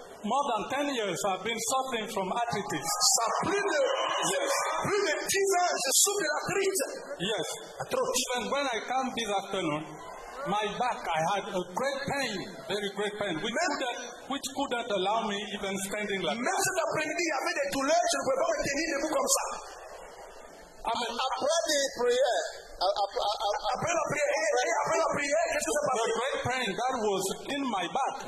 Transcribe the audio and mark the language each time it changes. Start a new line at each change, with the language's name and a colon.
English: More than 10 years I've been suffering from arthritis.
French: Ça plus de, yes. Plus de 10 ans, je souffre d'arthrite.
English: Yes. Even when I come this afternoon, my back, I had a great pain, very great pain, which couldn't allow me even standing like that.
French: Même cet après-midi, il y avait des douleurs, je ne pouvais pas me tenir debout comme ça. Après la prière,
English: the great pain that was in my back,